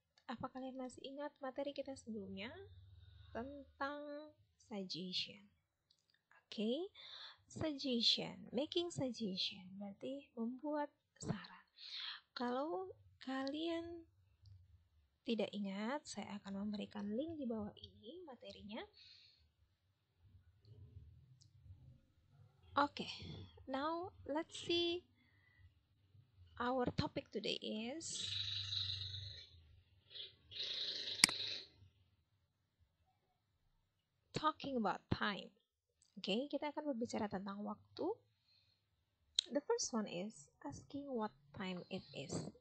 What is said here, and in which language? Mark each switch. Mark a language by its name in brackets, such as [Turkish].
[Indonesian] Apa kalian masih ingat materi kita sebelumnya? Tentang suggestion. [English] Okay, suggestion, making suggestion [Indonesian] berarti membuat saran. Kalau kalian tidak ingat, saya akan memberikan link di bawah ini materinya. [English] Okay, now let's see our topic today is talking about time. [Indonesian] Okay, kita akan berbicara tentang waktu. [English] The first one is asking what time it is.